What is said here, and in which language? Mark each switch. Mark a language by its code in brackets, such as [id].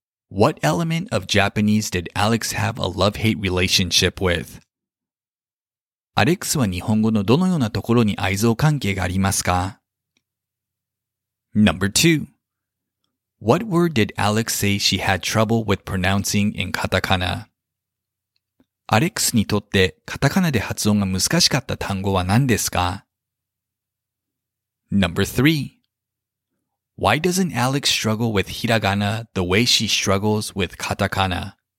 [en] What element of Japanese did Alex have a love-hate relationship with? [ja] アレックスは日本語のどのようなところに愛憎関係がありますか？ [en] Number 2. What word did Alex say she had trouble with pronouncing in katakana? [ja] アレックスにとってカタカナで発音が難しかった単語は何ですか? [en] Number 3. Why doesn't Alex struggle with hiragana the way she struggles with katakana?